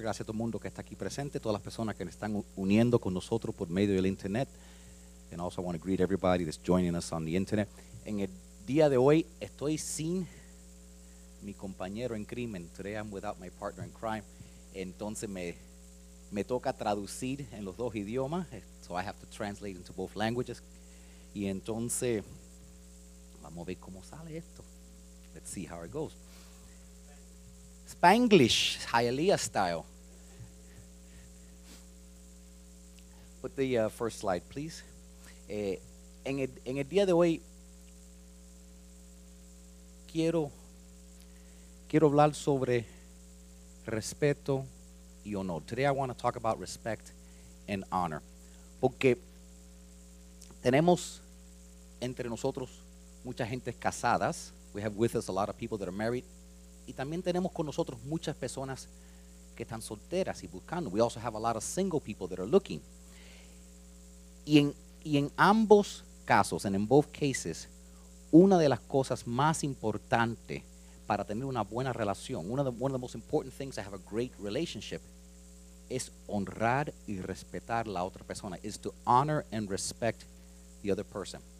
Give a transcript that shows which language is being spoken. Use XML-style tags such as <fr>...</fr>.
<es>Gracias a todo mundo que está aquí presente. Todas las personas que están uniendo con nosotros por medio del internet.</es> <en>And also I want to greet everybody that's joining us on the internet.</en> <es>En el día de hoy estoy sin mi compañero en crimen.</es> <en>Today I'm without my partner in crime.</en> <es>Entonces me toca traducir en los dos idiomas.</es> <en>So I have to translate into both languages.</en> <es>Y entonces vamos a ver cómo sale esto.</es> <en>Let's see how it goes. Spanglish, Hialeah style. Put the first slide, please.</en> <es>En el día de hoy quiero hablar sobre respeto y honor.</es> <en>Today I want to talk about respect and honor.</en> <es>Porque tenemos entre nosotros muchas gentes casadas.</es> <en>We have with us a lot of people that are married.</en> <es>Y también tenemos con nosotros muchas personas que están solteras y buscando.</es> <en>We also have a lot of single people that are looking.</en> <es>Y en ambos casos,</es> <en>and in both cases,</en> <es>una de las cosas más importantes para tener una buena relación,</es> <en>one of the most important things to have a great relationship,</en> <es>es honrar y respetar la otra persona,</es> <en>is to honor and respect the other person.</en>